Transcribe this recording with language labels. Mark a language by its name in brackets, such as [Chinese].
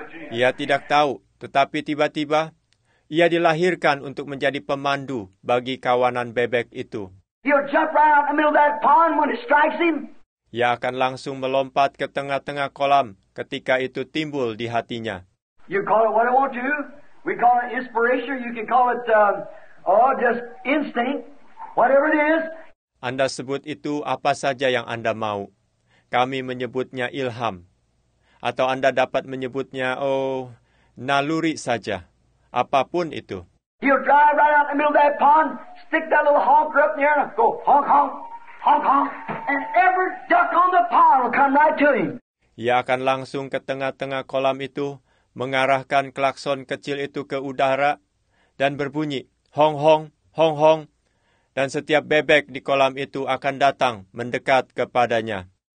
[Indonesian] Ia tidak tahu, tetapi tiba-tiba ia dilahirkan untuk menjadi pemandu bagi kawanan bebek itu. [English] He'll jump right out in the middle of that pond when it strikes him. [Indonesian] Ia akan langsung melompat ke tengah-tengah kolam ketika itu timbul di hatinya. [English] You call it what I want to. We call it inspiration. You can call it just instinct. Whatever it is. [Indonesian] Anda sebut itu apa saja yang Anda mau. Kami menyebutnya ilham. Atau Anda dapat menyebutnya, naluri saja. Apapun itu. [English] He'll drive right out in the middle of that pond, stick that little honker up in the air, and go honk, honk, honk, honk, and every duck on the pond will come right to him. [Indonesian] Ia akan langsung ke tengah-tengah kolam itu, mengarahkan klakson kecil itu ke udara, dan berbunyi, honk, honk, honk, honk. Dan setiap bebek di kolam itu akan datang mendekat kepadanya.